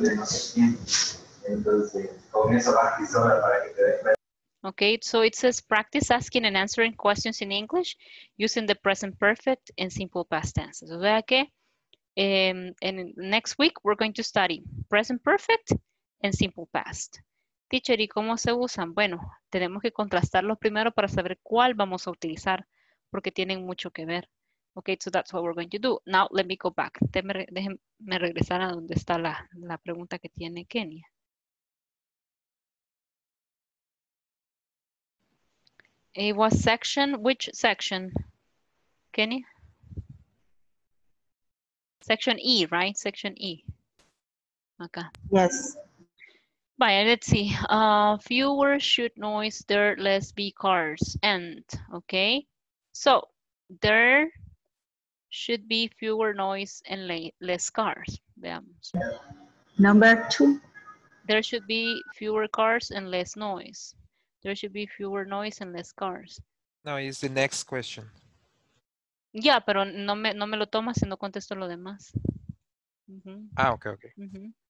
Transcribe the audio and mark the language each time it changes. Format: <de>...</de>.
<en>Give me one. Okay, so it says practice asking and answering questions in English using the present perfect and simple past tense.</en> <es>O sea que,</es> <en>and next week we're going to study present perfect and simple past.</en> <es>Teacher, ¿y cómo se usan? Bueno, tenemos que contrastarlos primero para saber cuál vamos a utilizar, porque tienen mucho que ver.</es> <en>Okay, so that's what we're going to do. Now, let me go back.</en> <es>Déjenme regresar a donde está la pregunta que tiene Kenia.</es> <en>It was section, which section, Kenny? Section E, right? Section E. Okay. Yes. Bye, let's see. Fewer shoot noise, there less B cars, and, okay? So, there should be fewer noise and less cars. Yeah. Number two. There should be fewer cars and less noise. There should be fewer noise and less cars. No, it's the next question.</en> <es>Yeah, pero no me lo tomas si no contesto lo demás.</es> <en>Mm-hmm. Ah, okay, okay. Mm-hmm.</en>